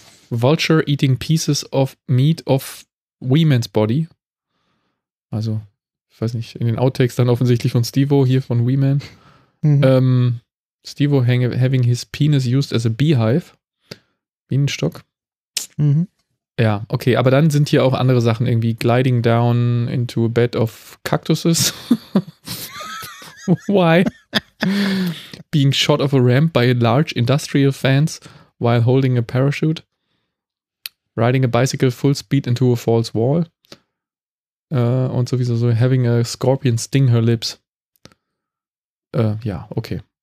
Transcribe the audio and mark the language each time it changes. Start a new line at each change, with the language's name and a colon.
English: Vulture eating pieces of meat of women's body.
German: Also, ich weiß nicht, in den Outtakes dann offensichtlich von Steve-O, hier von Wee Man.
English: Steve-O having his penis used as a beehive.
German: Bienenstock. Ja, okay, aber dann sind hier auch andere Sachen, irgendwie
English: gliding down into a bed of cactuses. Why? Being shot off a ramp by a large industrial fence while holding a parachute. Riding a bicycle full speed into a false wall.
German: Und sowieso so
English: having a scorpion sting her lips.
German: Ja, okay.